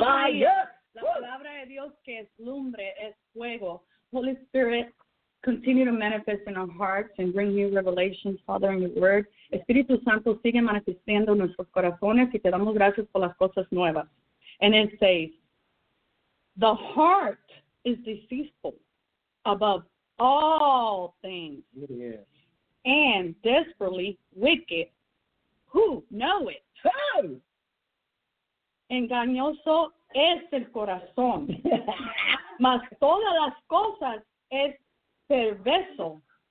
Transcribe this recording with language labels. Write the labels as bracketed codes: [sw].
[es] La palabra de Dios que es lumbre, es fuego. [en] Holy Spirit, continue to manifest in our hearts and bring new revelations, Father, in your word. [es] Espíritu Santo, sigue manifestando en nuestros corazones y te damos gracias por las cosas nuevas. [en] And it says, the heart is deceitful above all things. Yes. And desperately wicked. Who know it? Hey. [es] Engañoso es el corazón. Mas todas las cosas es perverso.